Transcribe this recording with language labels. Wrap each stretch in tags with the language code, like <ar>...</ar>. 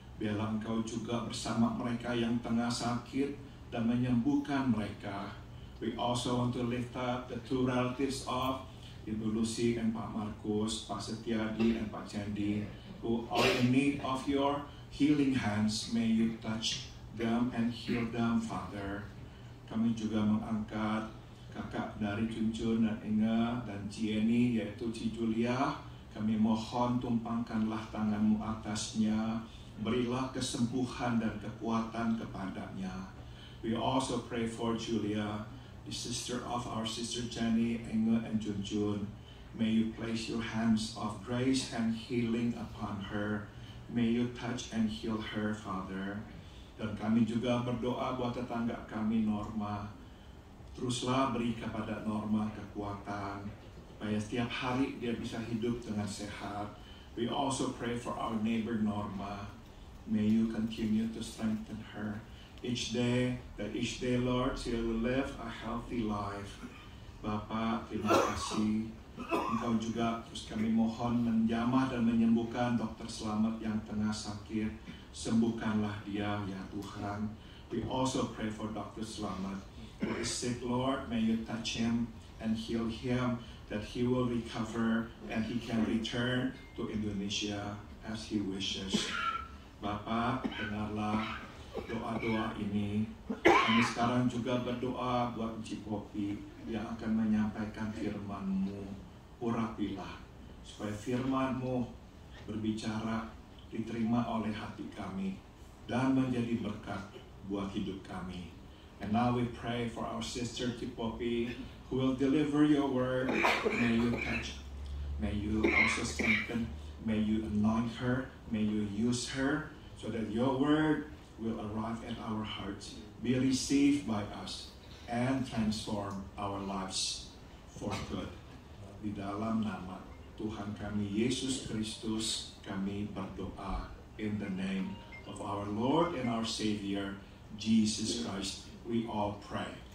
<id>Biarlah engkau juga bersama mereka yang tengah sakit dan menyembuhkan mereka.</id> <en>We also want to lift up the two relatives of Ibu Lucy and Pak Markus, Pak Setiadi and Pak Cendi, who are in need of your healing hands. May you touch them and heal them, Father.</en> <id>Kami juga mengangkat kakak dari Cuncun dan Inga dan Cieni, yaitu Ci Julia. Kami mohon tumpangkanlah tanganmu atasnya, berilah kesembuhan dan kekuatan kepadanya.</id> <en>We also pray for Julia, the sister of our sister Jenny, Inge, and Junjun. May you place your hands of grace and healing upon her. May you touch and heal her, Father.</en> <id>Dan kami juga berdoa buat tetangga kami,</id> <en>Norma.</en> <id>Teruslah beri kepada Norma kekuatan, supaya setiap hari dia bisa hidup dengan sehat.</id> <en>We also pray for our neighbor, Norma. May you continue to strengthen her each day, that each day, Lord, she will live a healthy life.</en> <id>Bapa, terima kasih. Engkau juga terus kami mohon menjamah dan menyembuhkan Dr. Slamet yang tengah sakit. Sembuhkanlah dia, ya Tuhan.</id> <en>We also pray for Dr. Slamet, who is sick, Lord. May you touch him and heal him, that he will recover and he can return to Indonesia as he wishes.</en> <id>Bapa, dengarlah doa-doa ini. Kami sekarang juga berdoa buat Uci Popi yang akan menyampaikan firman-Mu. Urapilah supaya firman-Mu berbicara, diterima oleh hati kami, dan menjadi berkat buat hidup kami.</id> <en>And now we pray for our sister Uci Popi, who will deliver your word. May you touch, may you also also strengthen. May you anoint her. May you use her so that your word will arrive at our hearts, be received by us, and transform our lives for good.</en> <id>Di dalam nama Tuhan kami, Yesus Kristus, kami berdoa.</id> <en>In the name of our Lord and our Savior, Jesus Christ, we all pray.</en>